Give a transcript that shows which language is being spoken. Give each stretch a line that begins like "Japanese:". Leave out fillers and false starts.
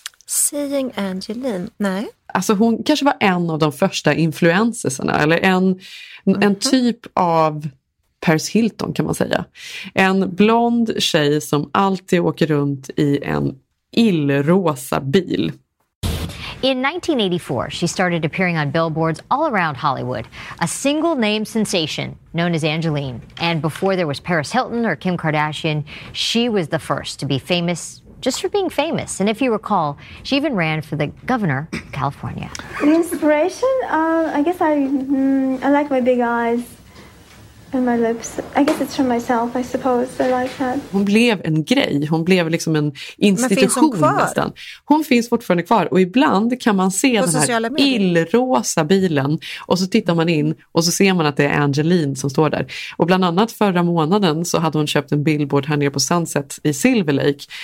English: Seeing Angeline,
Swedish: nej. Alltså hon kanske var en av de första influencersarna, eller en typ av Paris Hilton kan man säga. En blond tjej som alltid åker runt i en illrosa bil.
English: In 1984, she started appearing on billboards all around Hollywood. A single name sensation known as Angeline. And before there was Paris Hilton or Kim Kardashian, she was the first to be famous. Just for being famous. And if you recall, she even ran for the governor of California. The inspiration? I guess I like my big eyes and my lips. I guess it's from myself, I suppose. I like that.
Swedish: Hon blev en grej. Hon blev liksom en institution nästan. Hon finns fortfarande kvar. Och ibland kan man se den här illrosa bilen. Och så tittar man in och så ser man att det är Angeline som står där. Och bland annat förra månaden så hade hon köpt en billboard här nere på Sunset i Silver Lake.